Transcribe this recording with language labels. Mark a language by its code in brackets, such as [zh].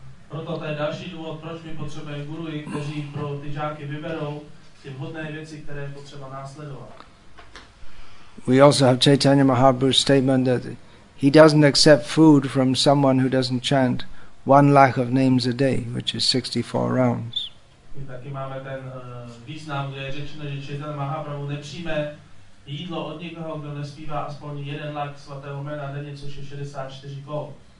[cs] Proto to je další důvod, proč my potřebujeme guruji, kteří pro ty žáky vyberou ty vhodné věci, které je potřeba následovat. [en] We also have Chaitanya Mahaprabhu's statement that he doesn't accept food from someone who doesn't chant 1 lakh of names a day, which is 64 rounds. [cs] My taky máme ten význam, kde je řečeno, že Chaitanya Mahaprabhu nepřijme jídlo od někoho, kdo nespívá aspoň 1 lakh svatého jména denně, což je 64 kol.